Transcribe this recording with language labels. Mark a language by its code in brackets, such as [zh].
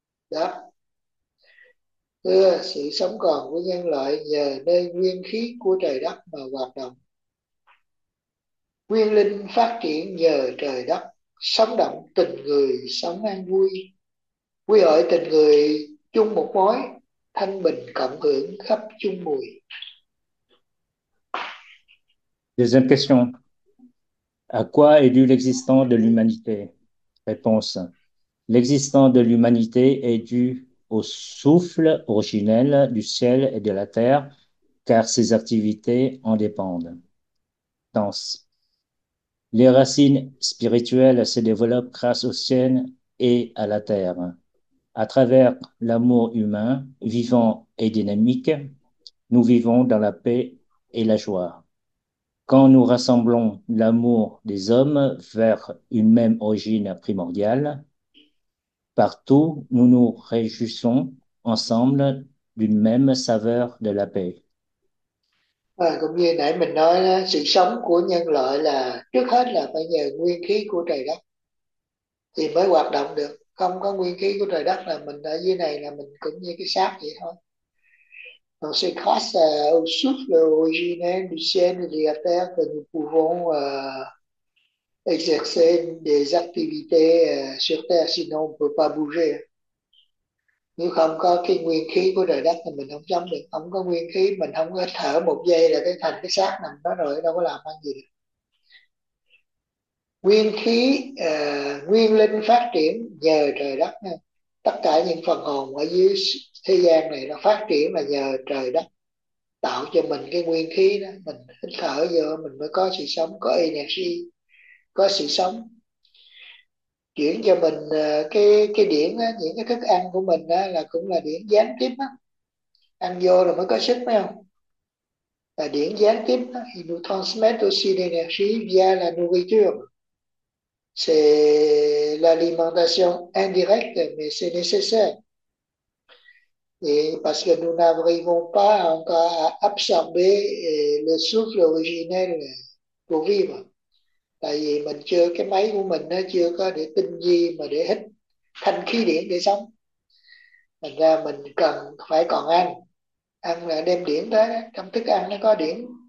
[vi] Đó. Sự sống còn của nhân loại nhờ nơi nguyên khí của trời đất mà hoạt động. Nguyên linh phát triển nhờ trời đất, sống động tình người, sống an vui. Quy hội tình người chung một mối, thanh bình cộng hưởng khắp chung mùi. [fr] Deuxième question. À quoi est due l'existence de l'humanité? Réponse. L'existence de l'humanité est due au souffle originel du ciel et de la terre, car ses activités en dépendent. Danse. Les racines spirituelles se développent grâce au ciel et à la terre. À travers l'amour humain, vivant et dynamique, nous vivons dans la paix et la joie. Quand nous rassemblons l'amour des hommes vers une même origine primordiale, partout nous nous réjouissons ensemble d'une même saveur de la paix. [vi] À, cũng như nãy mình nói là sự sống của nhân loại là trước hết là phải nhờ nguyên khí của trời đất thì mới hoạt động được. Không có nguyên khí của trời đất là mình ở dưới này là mình cũng như cái xác vậy thôi. [fr] Donc c'est grâce au souffle originel du ciel et de la terre que nous pouvons exercer des activités sur terre, sinon on ne peut pas bouger. [vi] Nếu không có cái nguyên khí của trời đất thì mình không sống được. Không có nguyên khí, mình không có thở một giây là cái thành cái xác nằm đó rồi, đâu có làm ăn gì được. Nguyên khí, nguyên linh phát triển nhờ trời đất. Tất cả những phần hồn ở dưới thế gian này nó phát triển là nhờ trời đất tạo cho mình cái nguyên khí đó. Mình hít thở vô mình mới có sự sống, có energy, có sự sống. Chuyển cho mình cái điểm á, những cái thức ăn của mình á, là cũng là điểm gián tiếp á. Ăn vô rồi mới có sức phải không? Là điểm gián tiếp á. [fr] Thì nous transmettons aussi l'énergie via la nourriture. C'est l'alimentation indirecte, mais c'est nécessaire. Et parce que nous n'arrivons pas encore à absorber le souffle originel pour vivre. [vi] Tại vì mình chưa, cái máy của mình nó chưa có để tinh di mà để hít thanh khí điển để sống. Thành ra mình cần phải còn ăn. Ăn là đem điển tới, trong thức ăn nó có điển.